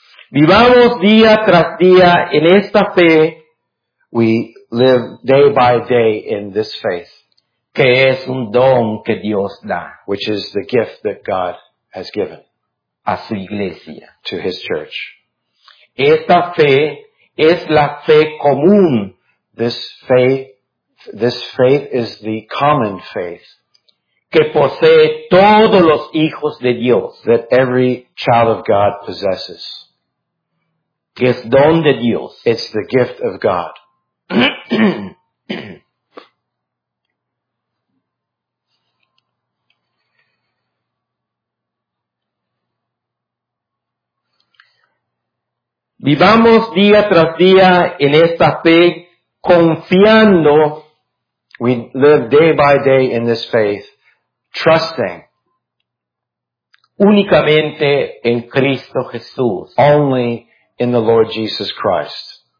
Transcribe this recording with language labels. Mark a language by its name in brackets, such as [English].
[Spanish] Vivamos día tras día en esta fe. [English] We live day by day in this faith. [Spanish] Que es un don que Dios da. [English] Which is the gift that God has given. [Spanish] A su iglesia. [English] To His church. [Spanish] Esta fe es la fe común. [English] This faith is the common faith. [Spanish] Que posee todos los hijos de Dios. [English] That every child of God possesses. [Spanish] Que es don de Dios. [English] It's the gift of God. [Spanish] Vivamos día tras día en esta fe confiando. [English] We live day by day in this faith. Trusting [Spanish] únicamente en Cristo Jesús, [English] only in the Lord Jesus Christ,